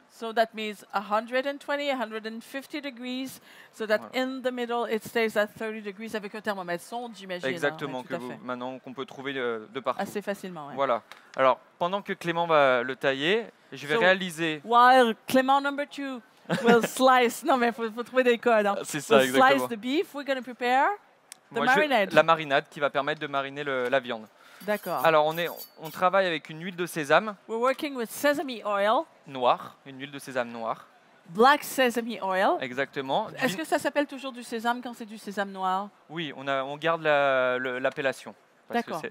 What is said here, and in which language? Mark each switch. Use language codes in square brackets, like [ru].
[en] So that means 120-150 degrees, so that voilà. In the middle it stays at 30 degrees [fr] avec un thermomètre sonde, j'imagine. Exactement, hein, ouais, maintenant qu'on peut trouver de partout. Assez facilement, ouais. Voilà. Alors, pendant que Clément va le tailler, je vais réaliser... [en] While Clément number two will slice... [fr] Non, mais faut trouver des codes. Hein. C'est ça, we'll exactement. [en] Slice the beef, we're going to prepare the marinade. [fr] La marinade qui va permettre de mariner la viande. D'accord. Alors, on travaille avec une huile de sésame. [en] We're working with sesame oil. [fr] Noir, une huile de sésame noire. [en] Black sesame oil. [fr] Exactement. Est-ce que ça s'appelle toujours du sésame quand c'est du sésame noir ? Oui, on garde l'appellation. D'accord.